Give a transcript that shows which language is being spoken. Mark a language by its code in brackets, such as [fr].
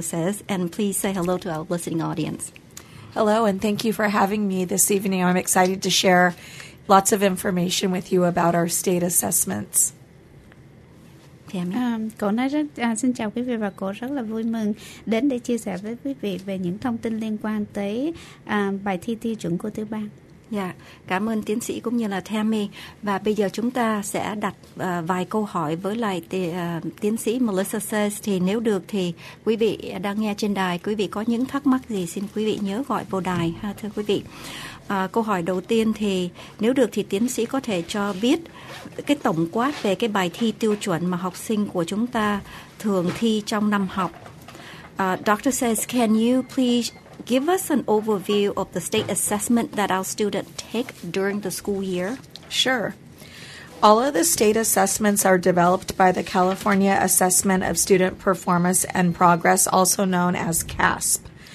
[en] says, and please say hello to our listening audience. Hello, and thank you for having me this evening. I'm excited to share lots of information with you about our state assessments. [vi] Cô nói rất xin chào quý vị và cô rất là vui mừng đến để chia sẻ với quý vị về những thông tin liên quan tới bài thi tiêu chuẩn của thứ ba. Dạ, cảm ơn tiến sĩ cũng như là Tammy. Và bây giờ chúng ta sẽ đặt vài câu hỏi với lại tiến sĩ Melissa says. Thì nếu được thì quý vị đang nghe trên đài, quý vị có những thắc mắc gì xin quý vị nhớ gọi vô đài ha, thưa quý vị. Câu hỏi đầu tiên thì nếu được thì tiến sĩ có thể cho biết cái tổng quát về cái bài thi tiêu chuẩn mà học sinh của chúng ta thường thi trong năm học. [en] Doctor says, can you please give us an overview of the state assessment that our students take during the school year? Sure. All of the state assessments are developed by the California Assessment of Student Performance and Progress, also known as CASP.